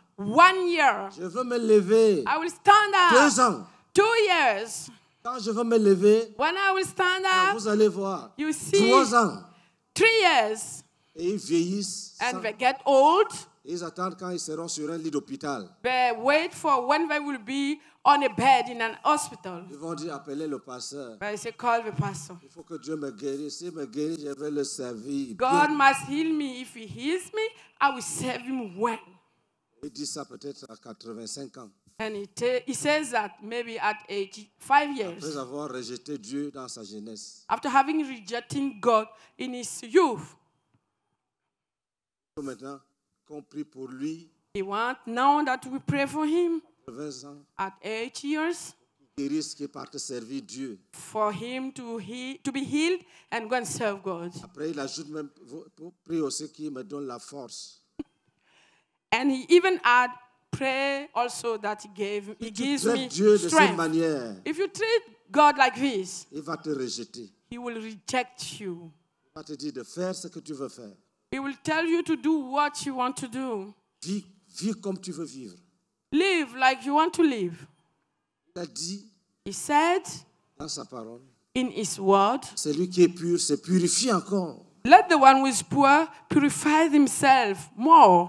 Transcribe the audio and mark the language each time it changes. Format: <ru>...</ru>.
<en>1 year.</en> <fr>Je veux me lever.</fr> <en>I will stand up.</en> <fr>2 ans.</fr> <en>2 years.</en> <fr>Quand je veux me lever.</fr> <en>When I will stand up.</en> <fr>Vous allez voir.</fr> <en>You see.</en> <fr>3 ans.</fr> <en>3 years.</en> <fr>Et ils vieillissent.</fr> <en>And they get old.</en> <fr>Ils attendent quand ils seront sur un lit d'hôpital.</fr> <en>They wait for when they will be on a bed in an hospital.</en> <fr>Ils vont dire appeler le pasteur.</fr> <en>But they say call the pastor.</en> <fr>Il faut que Dieu me guérisse. S'il me guérit, je vais le servir.</fr> <en>God must heal me. If he heals me, I will serve him well.</en> <fr>Il dit ça peut-être à 85 ans.</fr> <en>And he says that maybe at 85 years.</en> <fr>Après avoir rejeté Dieu dans sa jeunesse.</fr> <en>After having rejected God in his youth.</en> <fr>Maintenant, qu'on prie pour lui.</fr> <en>He want now that we pray for him. At 8 years,</en> <fr>qu'il parte servir Dieu.</fr> <en>For him to to be healed and go and serve God.</en> <fr>Après, il ajoute même pour prier aussi qu'il me donne la force.</fr> <en>And he even add pray also that he gives me</en> <fr>Dieu</fr> <en>strength.</en> <fr>De cette manière,</fr> <en>if you treat God like this,</en> <fr>il va te rejeter.</fr> <en>He will reject you.</en> <fr>Il va te dire de faire ce que tu veux faire.</fr> <en>He will tell you to do what you want to do.</en> <fr>Vis comme tu veux vivre.</fr> <en>Live like you want to live.</en> <fr>Il a dit,</fr> <en>he said,</en> <fr>dans sa parole,</fr> <en>in his word,</en> <fr>celui qui est pur se purifie encore.</fr> <en>Let the one who is poor purify himself more.</en>